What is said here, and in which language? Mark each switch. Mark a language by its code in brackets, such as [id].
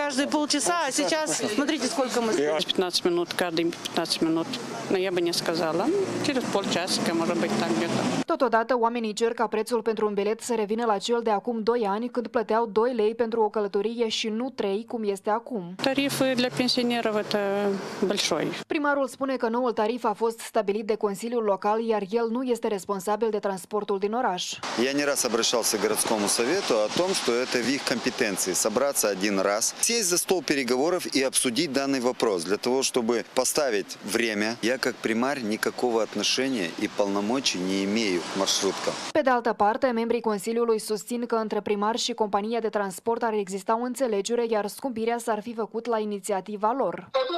[ru] Полчаса, а сейчас смотрите, сколько мы стоим. 15 минут, каждые 15 минут. Но я бы не сказала. Через полчасика, может быть, так где-то. [ro] Totodată, oamenii cer ca prețul pentru un bilet să revină la cel de acum 2 ani, când plăteau 2 lei pentru o călătorie și nu 3, cum este acum. Tariful de pensionară este [ru] большой. [ro] Primarul spune că noul tarif a fost stabilit de Consiliul Local, iar el nu este responsabil de transportul din oraș. [ru] Я не раз обращался к городскому совету о том, что это в их компетенции собраться один раз, сесть за стол переговоров и обсудить данный вопрос для того, чтобы поставить время. Я как примар никакого отношения и полномочий не имею. [ro] Pe de altă parte, membrii Consiliului susțin că între primar și compania de transport ar exista o înțelegere, iar scumpirea s-ar fi făcut la inițiativa lor.